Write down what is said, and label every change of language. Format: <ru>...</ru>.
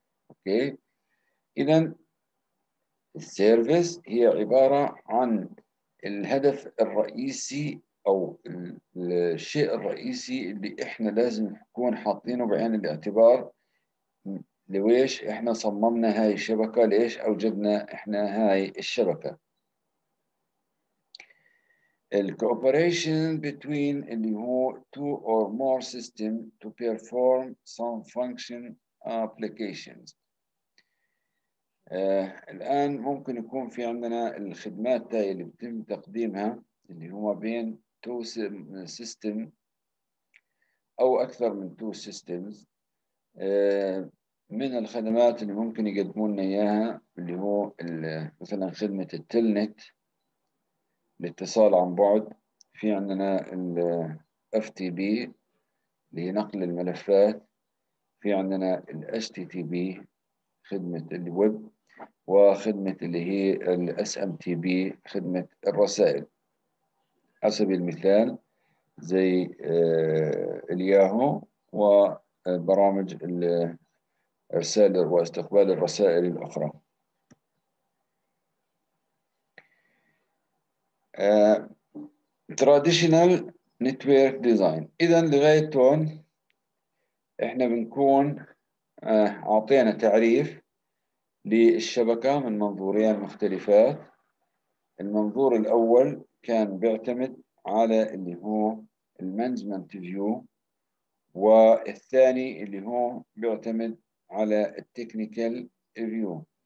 <ar>أوكي، إذا السيرفيس هي عبارة عن الهدف الرئيسي أو الشيء الرئيسي اللي إحنا لازم نكون حاطينه بعين الاعتبار لويش إحنا صممنا هاي الشبكة، ليش أوجدنا إحنا هاي الشبكة.</ar> <en>الكوبريشن between</en> <ar>اللي هو</ar> <en>two or more system to perform some function applications.</en> <ar>الآن ممكن يكون في عندنا الخدمات اللي بتم تقديمها اللي هو بين</ar> <en>two system</en> <ar>أو أكثر من</ar> <en>two systems.</en> <ar>من الخدمات اللي ممكن يقدمونا إياها اللي هو مثلا خدمة التلنت الاتصال عن بعد، في عندنا الـ FTP اللي هي نقل الملفات، في عندنا الـ HTTP خدمة الويب، وخدمة اللي هي الـ SMTP خدمة الرسائل على سبيل المثال زي الياهو وبرامج إرسال واستقبال الرسائل الأخرى.</ar> <en>Traditional Network Design.</en> <ar>إذا لغاية هون إحنا بنكون أعطينا تعريف للشبكة من منظورين مختلفات. المنظور الأول كان بيعتمد على اللي هو</ar> <en>Management View،</en> <ar>والثاني اللي هو بيعتمد على</ar> <en>Technical View.</en>